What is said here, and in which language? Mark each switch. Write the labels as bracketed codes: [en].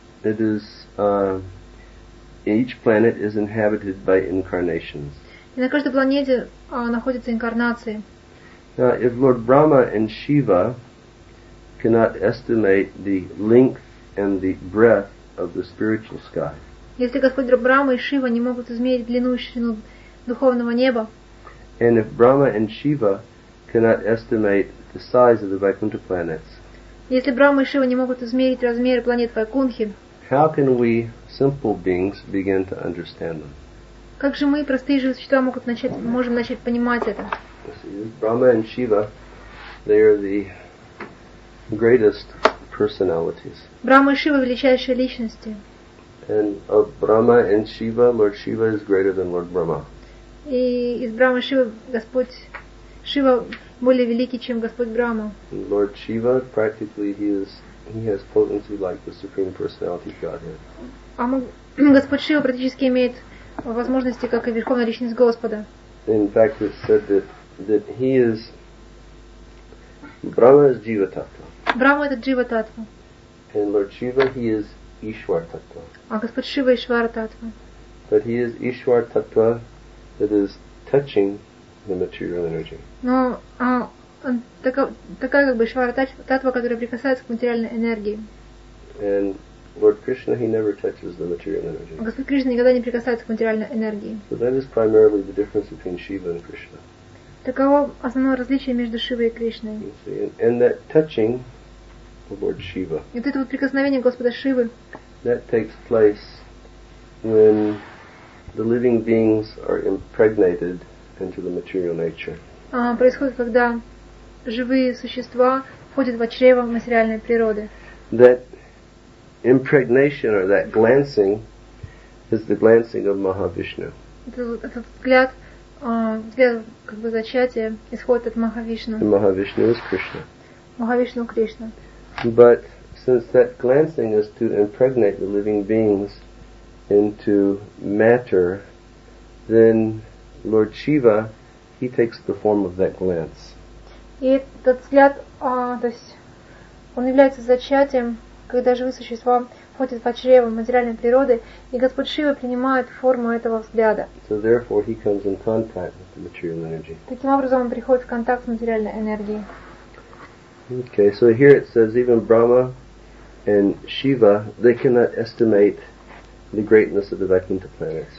[en] It is each planet is inhabited by incarnations. [ru] И на каждой планете находятся инкарнации. [en] Now, if Lord Brahma and Shiva cannot estimate the length and the breadth of the spiritual sky. [ru] Если Господь Брама и Шива не могут измерить длину и ширину духовного неба. [en] And if Brahma and Shiva cannot estimate the size of the Vaikuntha planets. [ru] Если Брама и Шива не могут измерить размеры планет Вайкунхи. [en] How can we simple beings begin to understand them? [ru] Как же мы простые живые существа можем начать понимать это? [en] Brahma and Shiva, they are the greatest personalities. [ru] Брама и Шива величайшие личности. [en] And of Brahma and Shiva, Lord Shiva is greater than Lord Brahma. [ru] И из Брамы Шивы Господь Шива более великий, чем Господь Брама. [en] Lord Shiva, practically he has potency like the Supreme Personality of Godhead. [ru] Господь Шива практически имеет возможности, как и Верховная Личность Господа. [en] In fact, it's said that he is Brahma is Jiva Tattva. [ru] Брама это Джива Таттва. [en] And Lord Shiva, he is Ишвар Таттва. [ru] А Господь Шива Ишвар Таттва. [en] But he is Ишвар Таттва. That is touching the material energy. [ru] Но такая как бы Ишвара Таттва, которая прикасается к материальной энергии. [en] And Lord Krishna, he never touches the material energy. [ru] Господь Кришна никогда не прикасается к материальной энергии. [en] So that is primarily the difference between Shiva and Krishna. [ru] Таково основное различие между Шивой и Кришной. [en] And that touching of Lord Shiva. [ru] И вот это вот прикосновение Господа Шивы. [en] That takes place when the living beings are impregnated into the material nature. [ru] Происходит, когда живые существа входят в чрево материальной природы. [en] That impregnation or that glancing is the glancing of Mahavishnu. [ru] Этот взгляд, взгляд как бы зачатия исходит от Махавишну. [en] And Mahavishnu is Krishna. [ru] Махавишну Кришна. [en] But since that glancing is to impregnate the living beings into matter, then Lord Shiva, he takes the form of that glance. [ru] И этот взгляд, то есть он является зачатием, когда живые существа входят в чрево материальной природы, и Господь Шива принимает форму этого взгляда. [en] So therefore he comes in contact with the material energy. [ru] Таким образом он приходит в контакт с материальной энергией. [en] Okay, so here it says even Brahma and Shiva, they cannot estimate the greatness of the Vaikuntha planets.